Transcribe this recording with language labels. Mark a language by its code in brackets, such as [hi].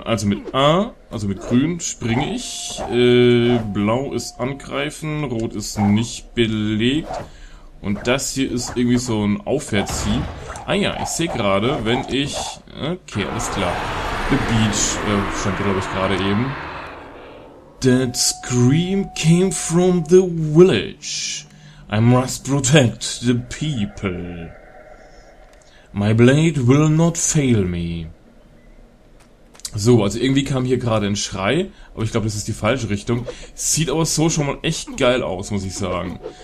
[de] Also mit A, also mit Grün springe ich, Blau ist angreifen, Rot ist nicht belegt. Und das hier ist irgendwie so ein Aufwärtshieb. Ah ja, ich sehe gerade, wenn ich... Okay, alles klar. The Beach stand, glaube ich, gerade eben. [en] That scream came from the village. I must protect the people. My blade will not fail me. [de] So, also irgendwie kam hier gerade ein Schrei. Aber ich glaube, das ist die falsche Richtung. Sieht aber so schon mal echt geil aus, muss ich sagen.